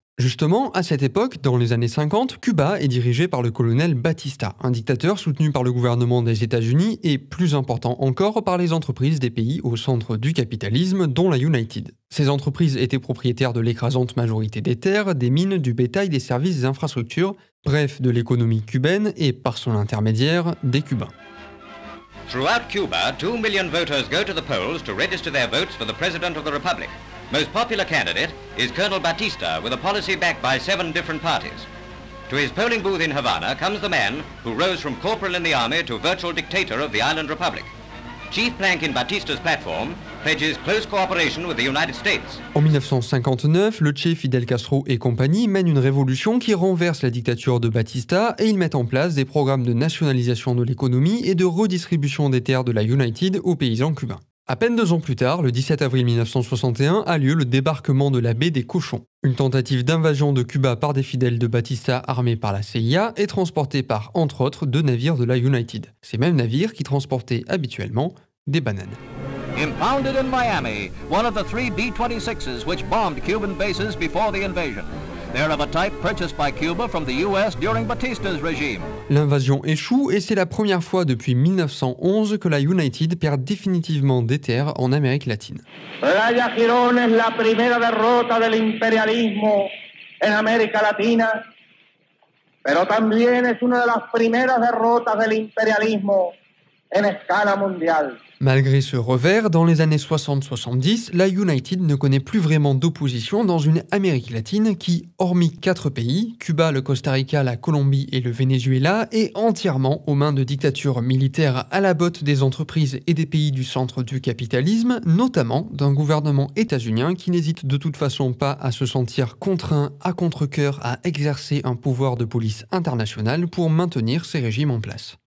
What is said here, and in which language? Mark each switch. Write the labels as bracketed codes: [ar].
[fr] Justement, à cette époque, dans les années 50, Cuba est dirigé par le colonel Batista, un dictateur soutenu par le gouvernement des États-Unis et, plus important encore, par les entreprises des pays au centre du capitalisme, dont la United. Ces entreprises étaient propriétaires de l'écrasante majorité des terres, des mines, du bétail, des services, des infrastructures, bref, de l'économie cubaine et, par son intermédiaire, des Cubains. [en] Throughout Cuba, 2 million voters go to the polls to register their votes for the president of the republic. Most popular candidate is Colonel Batista, with a policy backed by 7 different parties. To his polling booth in Havana comes the man who rose from corporal in the army to virtual dictator of the island republic. Chief plank in Batista's platform pledges close cooperation with the United States. [fr] En 1959, le Che, Fidel Castro et compagnie mènent une révolution qui renverse la dictature de Batista et ils mettent en place des programmes de nationalisation de l'économie et de redistribution des terres de la United aux paysans cubains. À peine 2 ans plus tard, le 17 avril 1961, a lieu le débarquement de la baie des Cochons. Une tentative d'invasion de Cuba par des fidèles de Batista armés par la CIA est transportée par, entre autres, 2 navires de la United. Ces mêmes navires qui transportaient habituellement des bananes. [en] Impounded in Miami, one of the 3 B-26s which bombed Cuban bases before the invasion. They're of a type purchased by Cuba from the US during Batista's regime. [fr] L'invasion échoue et c'est la première fois depuis 1911 que la United perd définitivement des terres en Amérique latine. [es] Playa Girón es la primera derrota del imperialismo en América Latina, pero también es una de las primeras derrotas del imperialismo en escala mundial. [fr] Malgré ce revers, dans les années 60-70, la United ne connaît plus vraiment d'opposition dans une Amérique latine qui, hormis 4 pays, Cuba, le Costa Rica, la Colombie et le Venezuela, est entièrement aux mains de dictatures militaires à la botte des entreprises et des pays du centre du capitalisme, notamment d'un gouvernement états-unien qui n'hésite de toute façon pas à se sentir contraint à contre-cœur à exercer un pouvoir de police internationale pour maintenir ses régimes en place.